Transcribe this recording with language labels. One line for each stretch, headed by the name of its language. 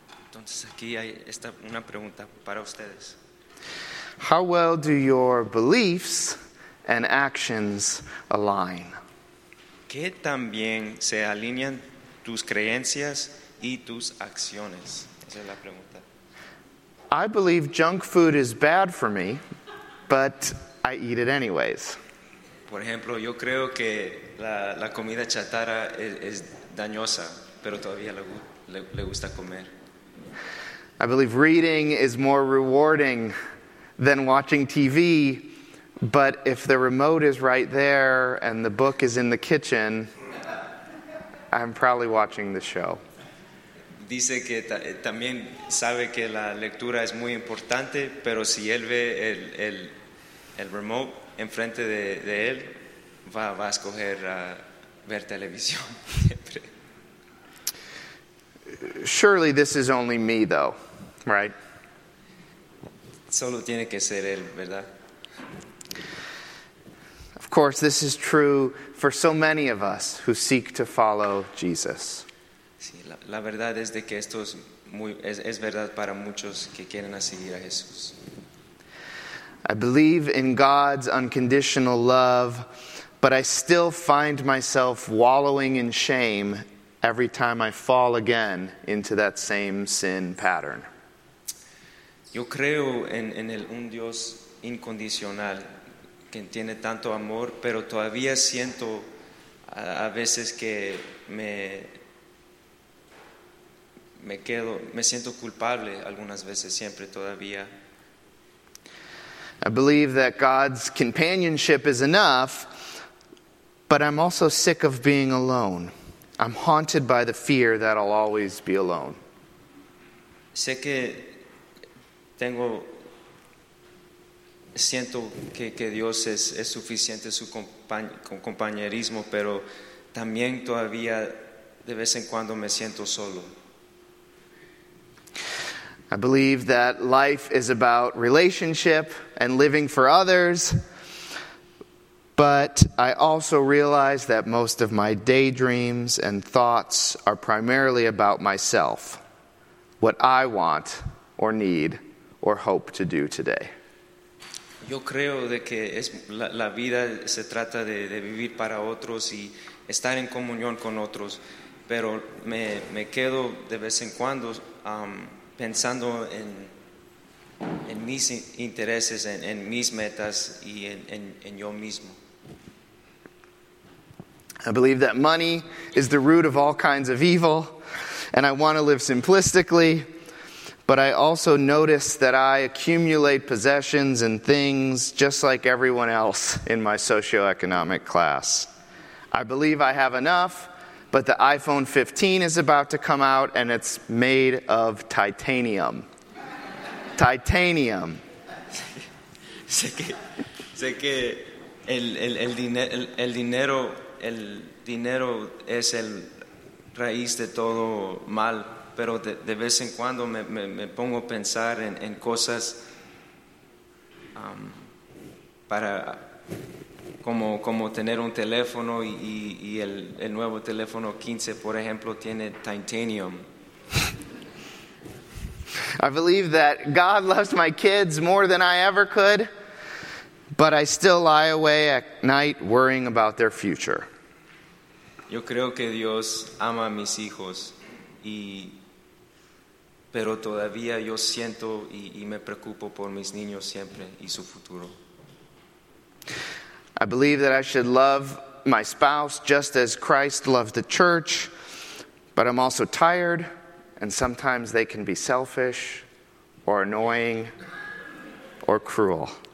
Spanish: Entonces aquí hay esta una pregunta para ustedes.
English: How well do your beliefs and actions align?
Spanish: ¿Qué tan bien se alinean tus creencias y tus acciones? Esa es la pregunta.
English: I believe junk food is bad for me, but I eat it anyways.
Spanish: Por ejemplo, yo creo que La comida chatarra es dañosa, pero todavía le gusta comer.
English: I believe reading is more rewarding than watching TV, but if the remote is right there and the book is in the kitchen, I'm probably watching the show.
Spanish: Dice que también sabe que la lectura es muy importante, pero si él ve el remote enfrente de él, va a escoger ver televisión siempre.
English: Surely this is only me, though, right?
Spanish: Solo tiene que ser él, ¿verdad?
English: Of course, this is true for so many of us who seek to follow Jesus.
Spanish: Sí, la verdad es de que esto es muy es verdad para muchos que quieren seguir a Jesús.
English: I believe in God's unconditional love, but I still find myself wallowing in shame every time I fall again into that same sin pattern.
Spanish: Yo creo en el un Dios incondicional que tiene tanto amor, pero todavía siento a veces que me siento culpable algunas veces, siempre todavía.
English: I believe that God's companionship is enough, but I'm also sick of being alone. I'm haunted by the fear that I'll always be alone.
Spanish: Sé que tengo, siento que Dios es suficiente su compañerismo, pero también todavía de vez en cuando me siento solo.
English: I believe that life is about relationship and living for others, but I also realize that most of my daydreams and thoughts are primarily about myself, what I want or need or hope to do today.
Spanish: Yo creo de que es la vida se trata de vivir para otros y estar en comunión con otros, pero me quedo de vez en cuando pensando en mis intereses, en mis metas y en yo mismo.
English: I believe that money is the root of all kinds of evil, and I want to live simplistically, but I also notice that I accumulate possessions and things just like everyone else in my socioeconomic class. I believe I have enough, but the iPhone 15 is about to come out, and it's made of titanium. Titanium.
Spanish: Sé que el dinero es el raíz de todo mal, pero de vez en cuando me pongo a pensar en cosas para como tener un teléfono y el nuevo teléfono 15, por ejemplo, tiene titanium.
English: I believe that God loves my kids more than I ever could, but I still lie awake at night worrying about their future.
Spanish: Yo creo que Dios ama a mis hijos, pero todavía yo siento y me preocupo por mis niños siempre y su futuro.
English: I believe that I should love my spouse just as Christ loved the church, but I'm also tired, and sometimes they can be selfish or annoying or cruel.